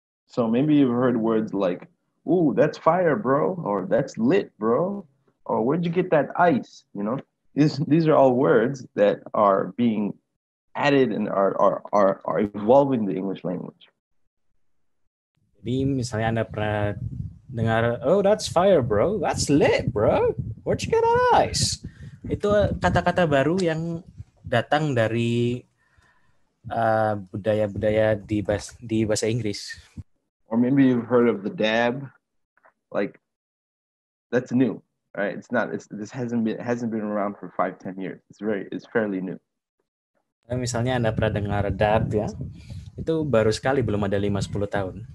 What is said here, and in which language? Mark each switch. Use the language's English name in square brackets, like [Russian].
[English] So maybe you've heard words like, ooh, that's fire, bro, or that's lit, bro, or where'd you get that ice, you know? These are all words that are being added and are evolving the English language. [Indonesian] Jadi misalnya Anda pernah dengar, [English] oh that's fire bro, that's lit bro, where'd you get that ice? [Indonesian] Itu kata-kata baru yang datang dari budaya-budaya di bahasa Inggris. [English] Or maybe you've heard of the dab, like that's new, right? It's not, this hasn't been around for 5-10 years. It's fairly new. [Indonesian] Misalnya Anda pernah dengar dab ya, itu baru sekali, belum ada 5-10 tahun.